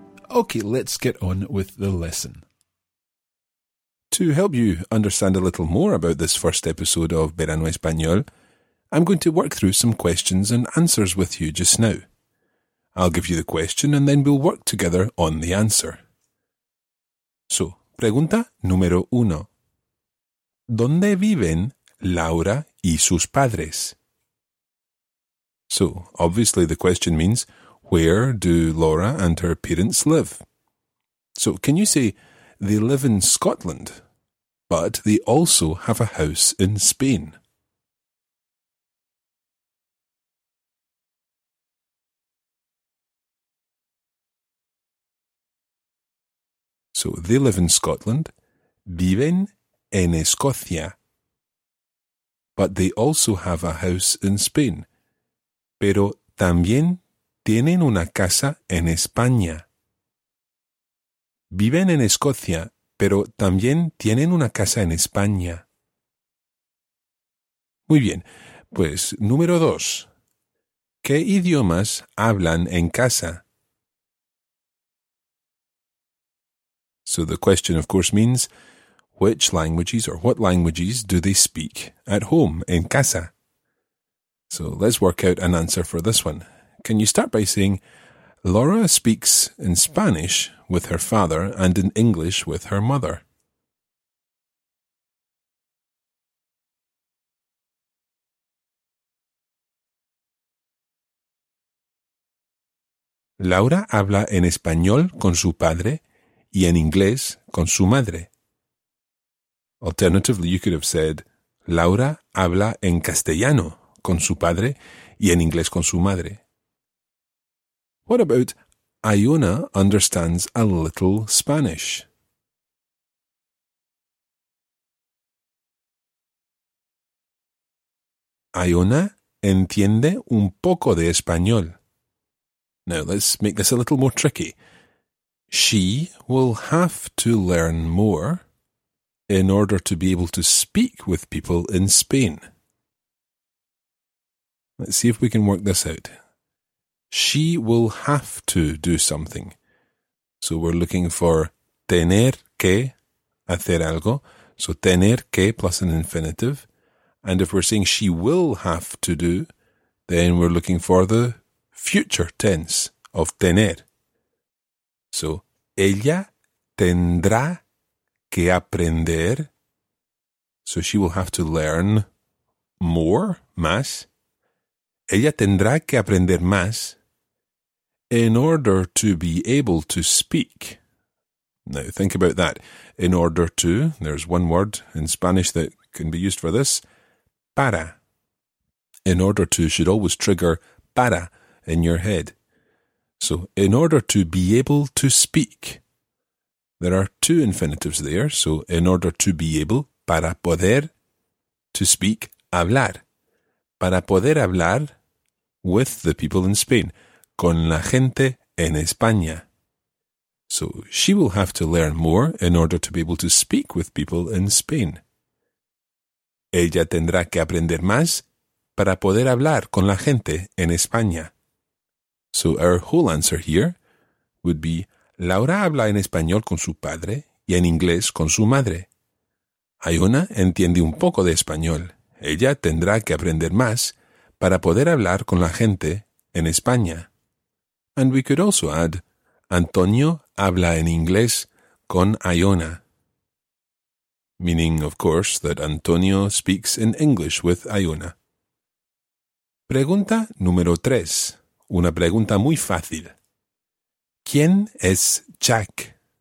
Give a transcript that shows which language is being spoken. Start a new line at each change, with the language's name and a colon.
English: Okay, let's get on with the lesson. To help you understand a little more about this first episode of Verano Español, I'm going to work through some questions and answers with you just now. I'll give you the question and then we'll work together on the answer.
Spanish: So, pregunta número uno. ¿Dónde viven Laura y sus padres?
English: So, obviously the question means, where do Laura and her parents live? So, can you say, they live in Scotland, but they also have a house in Spain? So, they live in Scotland,
Spanish: viven en Escocia,
English: but they also have a house in Spain.
Spanish: Pero también tienen una casa en España. Viven en Escocia, pero también tienen una casa en España. Muy bien, pues número dos. ¿Qué idiomas hablan en casa?
English: So the question of course means, which languages or what languages do they speak at home
Spanish: en casa?
English: So let's work out an answer for this one. Can you start by saying, Laura speaks in Spanish with her father and in English with her mother?
Spanish: Laura habla en español con su padre y en inglés con su madre.
English: Alternatively, you could have said,
Spanish: Laura habla en castellano con su padre y en inglés con su madre.
English: What about Iona understands a little Spanish?
Spanish: Iona entiende un poco de español.
English: Now let's make this a little more tricky. She will have to learn more in order to be able to speak with people in Spain. Let's see if we can work this out. She will have to do something. So we're looking for
Spanish: tener que hacer algo.
English: So tener que plus an infinitive. And if we're saying she will have to do, then we're looking for the future tense of tener.
Spanish: So ella tendrá que aprender.
English: So she will have to learn more, más.
Spanish: Ella tendrá que aprender más.
English: In order to be able to speak. Now, think about that. In order to, there's one word in Spanish that can be used for this. Para. In order to should always trigger para in your head. So, in order to be able to speak. There are two infinitives there. So, in order to be able,
Spanish: para poder,
English: to speak, hablar.
Spanish: Para poder hablar
English: with the people in Spain.
Spanish: Con la gente en España.
English: So she will have to learn more in order to be able to speak with people in Spain.
Spanish: Ella tendrá que aprender más para poder hablar con la gente en España.
English: So our whole answer here would be
Spanish: Laura habla en español con su padre y en inglés con su madre. Iona entiende un poco de español. Ella tendrá que aprender más para poder hablar con la gente en España.
English: And we could also add,
Spanish: Antonio habla en inglés con Iona.
English: Meaning, of course, that Antonio speaks in English with Iona.
Spanish: Pregunta número tres. Una pregunta muy fácil. ¿Quién es Jack?